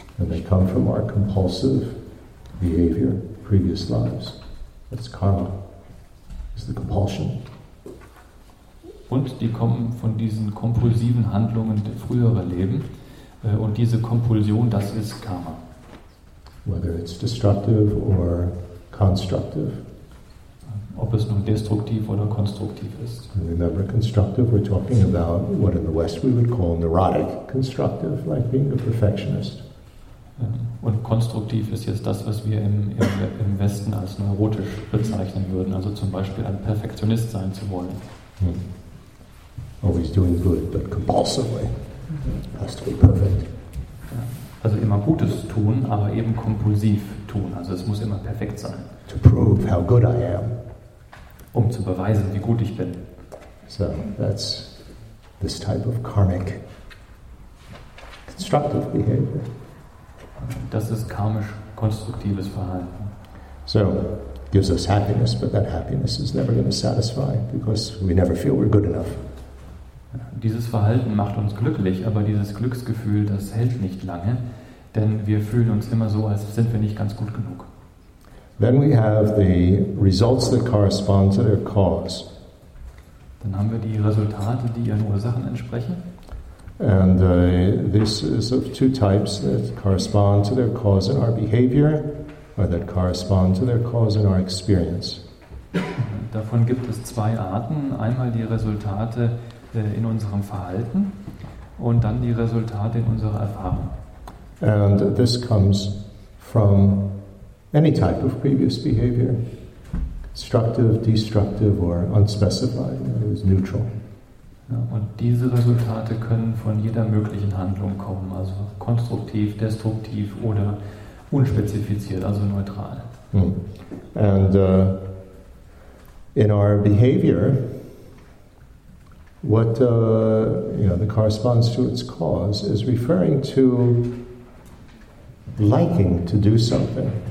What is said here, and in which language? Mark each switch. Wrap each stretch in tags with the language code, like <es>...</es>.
<en>And they come from our compulsive behavior, previous lives. That's karma. It's the compulsion.</en> <de>Und die kommen von diesen kompulsiven Handlungen der früheren Leben. Und diese Kompulsion, das ist Karma.</de> <en>Whether it's destructive or constructive.</en> <de>Ob es nun destruktiv oder konstruktiv ist.</de> <en>Remember, constructive, we're talking about what in the West we would call neurotic constructive, like being a perfectionist.</en> <de>Und konstruktiv ist jetzt das, was wir im Westen als neurotisch bezeichnen würden, also zum Beispiel ein Perfektionist sein zu wollen.</de> <en>Always doing good, but compulsively. It has to be perfect.</en> <de>Also immer Gutes tun, aber eben kompulsiv tun. Also es muss immer perfekt sein.</de> <en>To prove how good I am.</en> <de>Um zu beweisen, wie gut ich bin.</de> <en>So, that's this type of karmic constructive behavior.</en> <de>Das ist karmisch konstruktives Verhalten.</de> <en>So, gives us happiness, but that happiness is never going to satisfy because we never feel we're good enough.</en> <de>Dieses Verhalten macht uns glücklich, aber dieses Glücksgefühl, das hält nicht lange, denn wir fühlen uns immer so, als sind wir nicht ganz gut genug.</de> <en>Then we have the results that correspond to their cause.</en> <de>Dann haben wir die Resultate, die ihren Ursachen entsprechen.</de> <en>And this is of two types that correspond to their cause in our behavior, or that correspond to their cause in our experience.</en> <de>Davon gibt es zwei Arten. Einmal die Resultate in unserem Verhalten und dann die Resultate in unserer Erfahrung.</de> <en>And this comes from any type of previous behavior, destructive, destructive or unspecified, it is neutral.</en> <de>Ja, und diese Resultate können von jeder möglichen Handlung kommen, also konstruktiv, destruktiv oder unspezifiziert, also neutral. Mm.</de> <en>And in our behavior, what the corresponds to its cause is referring to liking to do something.</en>